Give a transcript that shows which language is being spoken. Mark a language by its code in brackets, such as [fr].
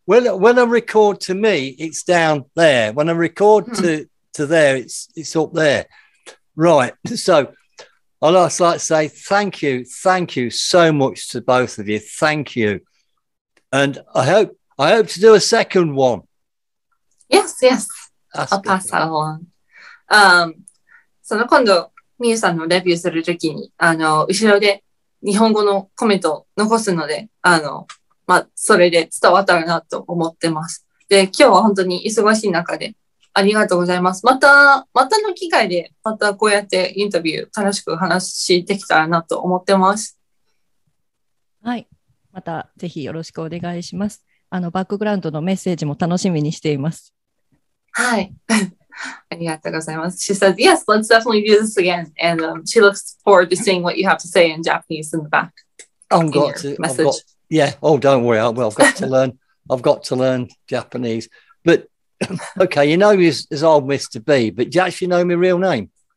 [en] When I record to me, it's down there. When I record to there, it's up there. Right. So I'd like to say thank you so much to both of you. Thank you. And I hope to do a second one. Yes, yes. I'll pass that along. [ja] その今度、ミユさんのレビューするときに、後ろで日本語のコメントを残すので、まあ、それで伝わったらなと思ってます。で、今日は本当に忙しい中で、ありがとうございます。またの機会で、またこうやってインタビュー、楽しく話しできたらなと思ってます。はい。またぜひよろしくお願いします。バックグラウンドのメッセージも楽しみにしています。はい。ありがとうございます。 [en] She says, yes, let's definitely do this again. And、she looks forward to seeing what you have to say in Japanese in the back. I've got to. Yeah. Oh, don't worry. I've got to learn. I've got to learn Japanese. But, okay, you know me as old Mr. B, but do you actually know my real name?